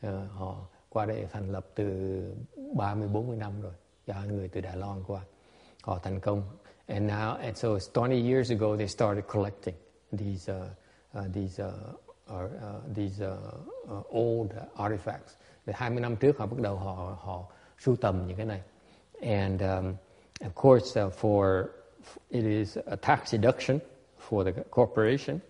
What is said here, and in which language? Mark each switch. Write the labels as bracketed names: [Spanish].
[Vietnamese] Họ qua đây thành lập từ 30, 40 năm rồi, do người từ Đài Loan qua. Họ thành công. [English] And now, and so it's 20 years ago, they started collecting these old artifacts. [Vietnamese] 20 năm trước họ bắt đầu họ sưu tầm những cái này. [English] And of course, it is a tax deduction for the corporation.